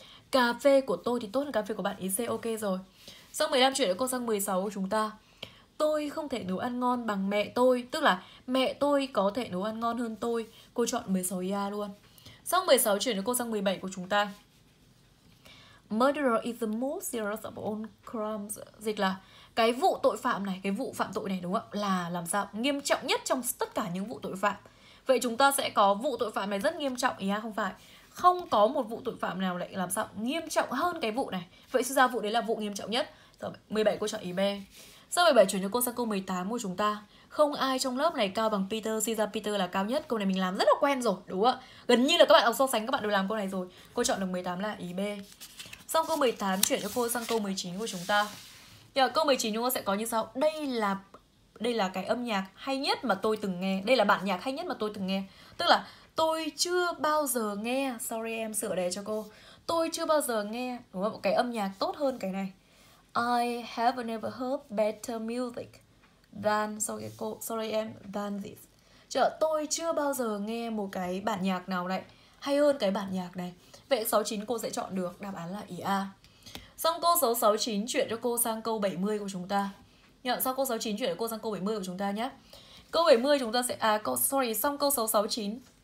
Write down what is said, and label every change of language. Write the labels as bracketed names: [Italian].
[Vietnamese] Cà phê của tôi thì tốt hơn cà phê của bạn. Ý C ok rồi. Sau 15 chuyển cho cô sang 16 của chúng ta. Tôi không thể nấu ăn ngon bằng mẹ tôi. Tức là mẹ tôi có thể nấu ăn ngon hơn tôi. Cô chọn 16 ya luôn. Sau 16 chuyển cho cô sang 17 của chúng ta. [English] Murderer is the most serious of all crimes. [Vietnamese] Dịch là cái vụ tội phạm này, cái vụ phạm tội này đúng không ạ? Là làm sao nghiêm trọng nhất trong tất cả những vụ tội phạm. Vậy chúng ta sẽ có vụ tội phạm này rất nghiêm trọng. Ya không phải. Không có một vụ tội phạm nào lại làm sao nghiêm trọng hơn cái vụ này. Vậy suy ra vụ đấy là vụ nghiêm trọng nhất. 17 cô chọn ý B. Sau 17 chuyển cho cô sang câu 18 của chúng ta. Không ai trong lớp này cao bằng Peter, suy ra Peter là cao nhất. Câu này mình làm rất là quen rồi, đúng không ạ? Gần như là các bạn học so sánh các bạn đều làm câu này rồi. Cô chọn được 18 là ý B. Sau câu 18 chuyển cho cô sang câu 19 của chúng ta. Giờ câu 19 chúng ta sẽ có như sau. Đây là cái âm nhạc hay nhất mà tôi từng nghe. Đây là bản nhạc hay nhất mà tôi từng nghe. Tức là tôi chưa bao giờ nghe. Sorry em sửa đề cho cô. Tôi chưa bao giờ nghe, đúng không? Cái âm nhạc tốt hơn cái này. [English] I have never heard better music than, sorry em, than this. [Vietnamese] Chờ, tôi chưa bao giờ nghe một cái bản nhạc nào này hay hơn cái bản nhạc này. Vậy 69 cô sẽ chọn được, đáp án là ý A. Xong câu số 69 chuyển cho cô sang câu 70 của chúng ta. Nhận sau câu 69 chuyển cho cô sang câu 70 của chúng ta nhé. Câu 70 chúng ta sẽ, xong câu số 69.